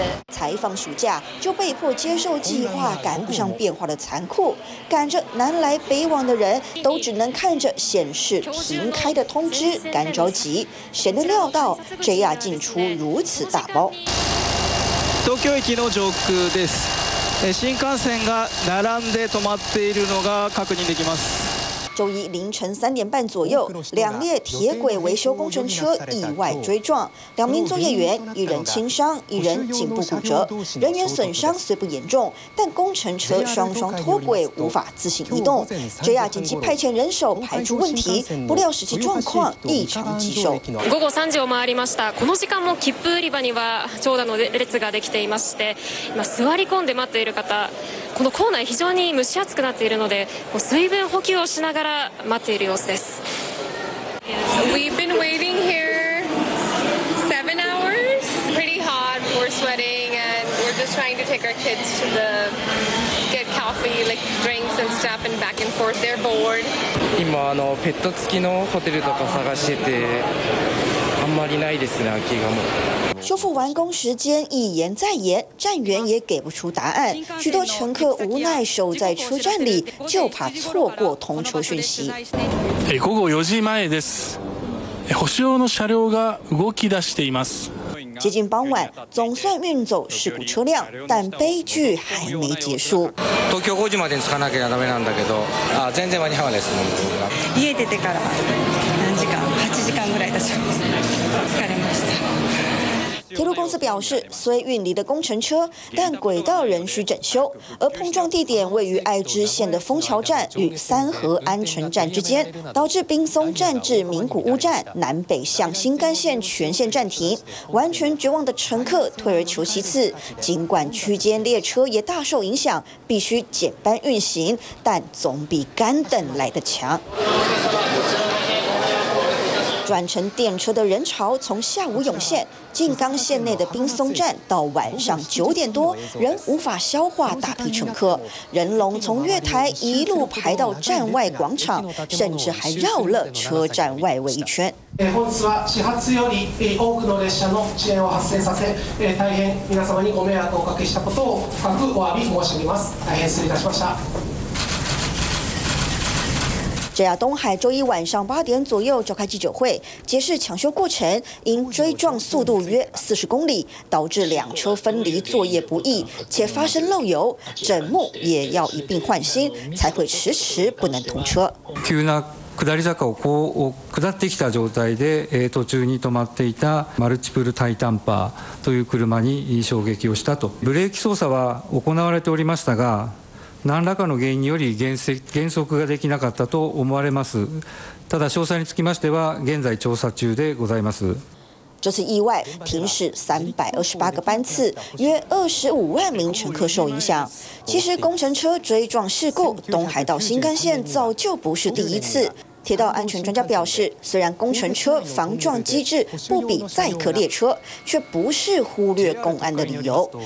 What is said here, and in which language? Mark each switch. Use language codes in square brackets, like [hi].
[zh] 才放暑假就被迫接受计划赶不上变化的残酷，赶着南来北往的人都只能看着显示平开的通知干着急，谁能料到 JR 进出如此大包。 [ja] 東京駅の上空です。新幹線が並んで止まっているのが確認できます。 [zh] 周一凌晨三点半左右，两列铁轨维修工程车意外追撞，两名作业员一人轻伤，一人颈部骨折，人员损伤虽不严重，但工程车双双脱轨，无法自行移动。 JR 紧急派遣人手排除问题，不料实际状况异常棘手。 [ja] 午後3時を回りました。この時間も切符売り場には長蛇の列ができていまして、今座り込んで待っている方、この構内非常に蒸し暑くなっているので、水分補給をしながら待っている様子です。 [en] We've been waiting here 7 hours. Pretty hot. We're sweating, and we're just trying to take our kids to the get coffee, like drinks and stuff, and back and forth. They're bored. [ja] 今あのペット付きのホテルとか探してて、あんまりないですね。空きがもう。 [zh] 修复完工时间一延再延，站员也给不出答案。许多乘客无奈守在车站里，就怕错过通车讯息。 [ja] 午後4時前です。補修用の車両が動き出しています。 [zh] 接近傍晚，总算运走事故车辆，但悲剧还没结束。 [ja] 東京5時までに着かなきゃダメなんだけど、あ、全然間に合わないです。家出てから何時間？8 時間ぐらい経ちます。疲れました。 [zh] 铁路公司表示，虽运离了工程车，但轨道仍需整修。而碰撞地点位于爱知县的丰桥站与三河安城站之间，导致滨松站至名古屋站南北向新干线全线暂停。完全绝望的乘客退而求其次，尽管区间列车也大受影响，必须减班运行，但总比干等来得强。转乘电车的人潮从下午涌现，静冈县内的滨松站到晚上九点多仍无法消化大批乘客，人龙从月台一路排到站外广场，甚至还绕了车站外围一圈。 [ja] 本日は始発より多くの列車の遅延を発生させ、大変皆様にご迷惑をおかけしたことを深くお詫び申し上げます。大変失礼いたしました。 [zh] JR 东海周一晚上八点左右召开记者会，解释抢修过程因追撞速度约40公里，导致两车分离作业不易，且发生漏油，整幕也要一并换新，才会迟迟不能通车。 [ja] 急な下り坂をこう下ってきた状態で、途中に止まっていたマルチプルタイタンパーという車に衝撃をしたと。ブレーキ操作は行われておりましたが。何らかの原因により減速ができなかったと思われます。ただ詳細につきましては現在調査中でございます。 [zh] 这次意外停驶328个班次，约250,000名乘客受影响。其实工程车追撞事故，东海道新干线早就不是第一次。铁道安全专家表示，虽然工程车防撞机制不比载客列车，却不是忽略公安的理由。